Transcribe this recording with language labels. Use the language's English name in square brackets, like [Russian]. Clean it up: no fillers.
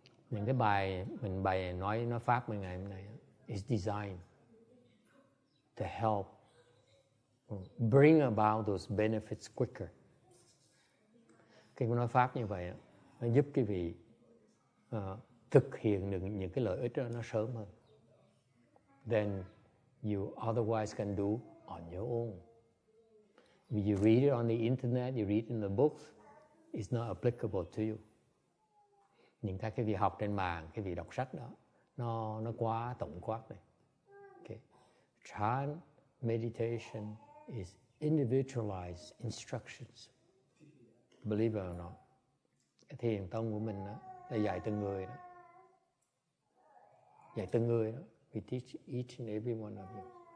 [Vietnamese] Những cái bài mình bày nói nó pháp mình ngày hôm nay [English] is designed to help bring about those benefits quicker. [Vietnamese] Khi nói pháp như vậy, nó giúp quý vị thực hiện được những cái lợi ích đó nó sớm hơn. [English] Then you otherwise can do on your own. When you read it on the internet, you read it in the books, it's not applicable to you. [Vietnamese] Những cái việc học trên mạng, cái việc đọc sách đó, nó quá tổng quát này. Okay. [English] Chan meditation is individualized instructions. Believe it or not. [Vietnamese] Cái thiền tông của mình đó, là dạy từng người đó. Dạy từng người đó. [English] We teach each and every one of you.